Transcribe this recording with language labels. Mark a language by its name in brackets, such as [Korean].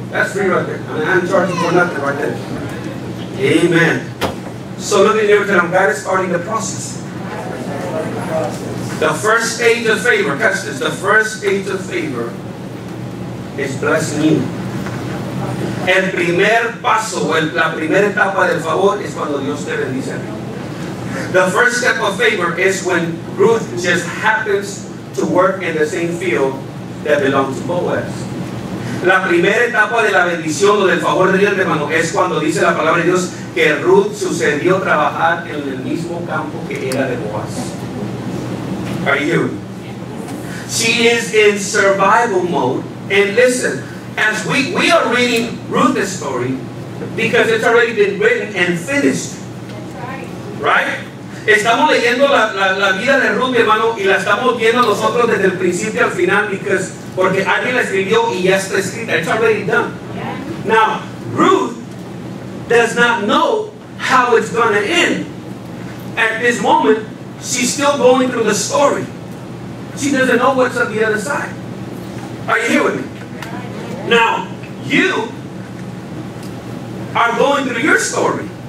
[English] That's free right there. I mean, I ain't charging for nothing right there. Amen. So look at everything. God is starting the process. The first stage of favor. Catch this. The first stage of favor is blessing you. [Spanish] El primer paso, la primera etapa del favor es cuando Dios te bendice. [English] The first step of favor is when Ruth just happens to work in the same field that belongs to Boaz. [Spanish] La primera etapa de la bendición o del favor de Dios, hermano, es cuando dice la palabra de Dios que Ruth sucedió trabajar en el mismo campo que era de Boaz. [English] Are you? She is in survival mode. And listen, as we are reading Ruth's story, because it's already been written and finished. Right? [Spanish] Estamos leyendo la vida de Ruth, hermano, y la estamos viendo nosotros desde el principio al final porque alguien la escribió y ya está escrita. [English] It's already done. Now, Ruth does not know how it's going to end. At this moment, she's still going through the story. She doesn't know what's on the other side. Are you here with me? Now, you are going through your story.